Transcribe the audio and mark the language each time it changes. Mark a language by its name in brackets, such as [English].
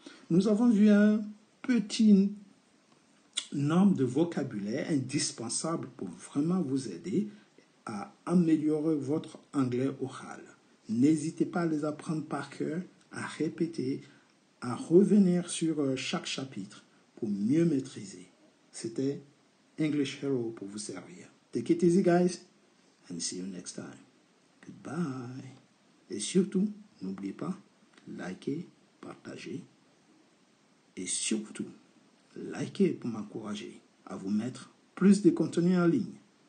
[French] Nous avons vu un petit nombre de vocabulaire indispensable pour vraiment vous aider à améliorer votre anglais oral. N'hésitez pas à les apprendre par cœur, à répéter, à revenir sur chaque chapitre pour mieux maîtriser. C'était English Hero pour vous servir. [English] Take it easy, guys, and see you next time. Goodbye. [French] Et surtout, n'oubliez pas, likez, partager et surtout liker pour m'encourager à vous mettre plus de contenu en ligne.